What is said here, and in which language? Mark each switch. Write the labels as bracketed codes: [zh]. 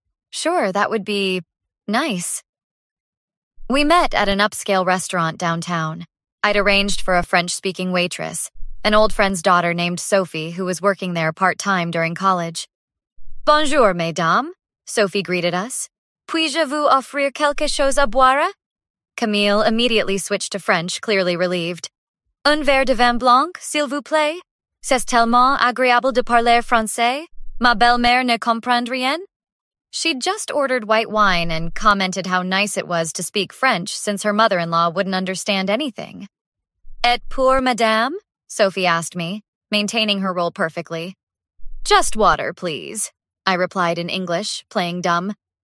[en] Sure, that would be nice. We met at an upscale restaurant downtown. I'd arranged for a French-speaking waitress, an old friend's daughter named Sophie who was working there part-time during college. [fr] Bonjour, mesdames, Sophie greeted us. Puis-je vous offrir quelque chose à boire? [en] Camille immediately switched to French, clearly relieved. [fr] Un verre de vin blanc, s'il vous plaît? C'est tellement agréable de parler français? Ma belle-mère ne comprend rien? [en] She'd just ordered white wine and commented how nice it was to speak French since her mother-in-law wouldn't understand anything. [fr] Et pour madame? [en] Sophie asked me, maintaining her role perfectly. Just water, please, I replied in English, playing dumb.